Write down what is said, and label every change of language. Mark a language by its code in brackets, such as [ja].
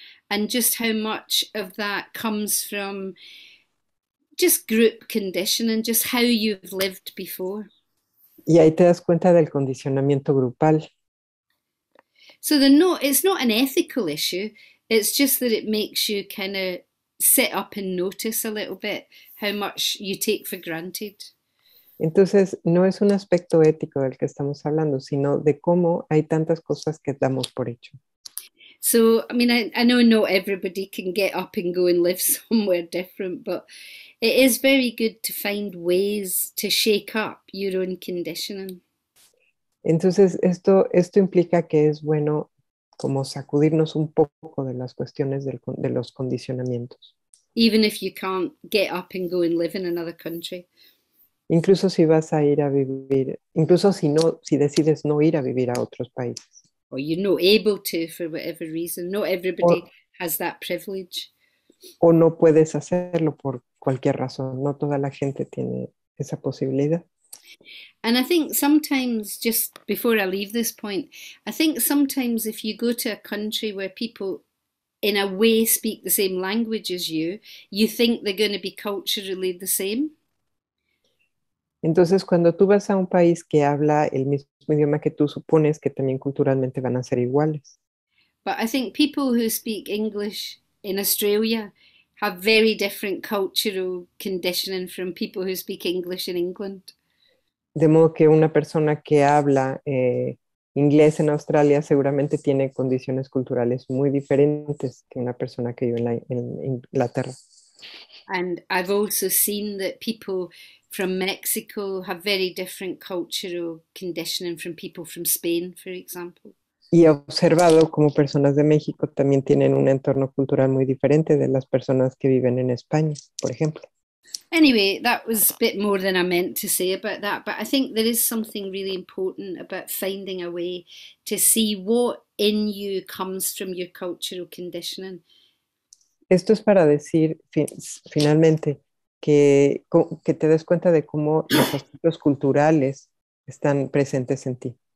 [en] And just how much of that comes from just group conditioning, just how you've lived before. [es] Y ahí te das cuenta del condicionamiento grupal. [en] So the no, it's not an ethical issue, it's just that it makes you kind of sit up and notice a little bit how much you take for granted. [es] Entonces, no es un aspecto ético del que estamos hablando, sino de cómo hay tantas cosas que damos por hecho. [en] So, I mean, I know not everybody can get up and go and live somewhere different, but it is very good to find ways to shake up your own conditioning. [es] Entonces, esto implica que es bueno como sacudirnos un poco de las cuestiones de los condicionamientos. [en] Even if you can't get up and go and live in another country. [es] Incluso si vas a ir a vivir, incluso si no, si decides no ir a vivir a otros países. [en] Or you're not able to for whatever reason. Not everybody [es] O [en] has that privilege. [es] no puedes hacerlo por cualquier razón. No toda la gente tiene esa posibilidad. [en] And I think sometimes, just before I leave this point, I think sometimes if you go to a country where people in a way speak the same language as you, you think they're going to be culturally the same. [es] Entonces, cuando tú vas a un país que habla el mismo idioma que tú, supones que también culturalmente van a ser iguales. [en] But I think people who speak English in Australia have very different cultural conditioning from people who speak English in England. [es] De modo que una persona que habla inglés en Australia seguramente tiene condiciones culturales muy diferentes que una persona que vive en Inglaterra. [en] And I've also seen that people from Mexico have very different cultural conditioning from people from Spain, for example. [es] Y he observado cómo personas de México también tienen un entorno cultural muy diferente de las personas que viven en España, por ejemplo. [en] Anyway, that was a bit more than I meant to say about that, but I think there is something really important about finding a way to see what in you comes from your cultural conditioning. [es] Esto es para decir, finalmente, que te des cuenta de cómo los aspectos culturales están presentes en ti.